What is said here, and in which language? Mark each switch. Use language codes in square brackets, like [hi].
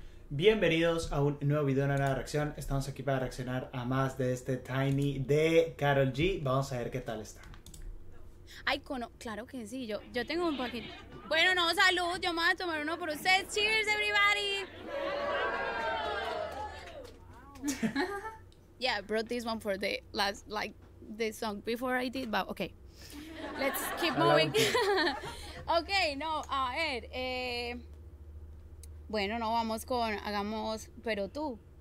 [es] Bienvenidos a un nuevo video de una nueva reacción. Estamos aquí para reaccionar a más de este Tiny de Karol G. Vamos a ver qué tal está. Ay, cono, claro que sí, yo tengo un poquito. Bueno, no, salud, yo me voy a tomar uno por ustedes. [en] Cheers, everybody. Yeah, I brought this one for the last, like, the song before I did, but okay. Let's keep moving. [es] Okay, no, a ver, bueno, no, vamos con, hagamos, pero tú.